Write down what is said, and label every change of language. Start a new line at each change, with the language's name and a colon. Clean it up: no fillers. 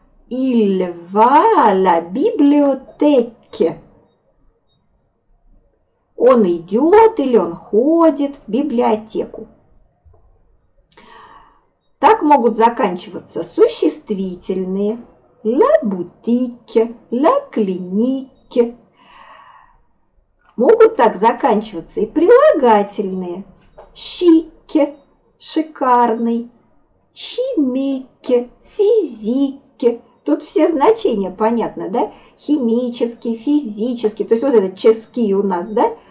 French: Il va à la bibliothèque.
Russian: Он идет или он ходит в библиотеку. Так могут заканчиваться существительные.
French: La boutique, la clinique.
Russian: Могут так заканчиваться и прилагательные. Chic, шикарный.
French: Chimique, physique.
Russian: Тут все значения понятны, да? Химический, физический. То есть вот это чески у нас, да?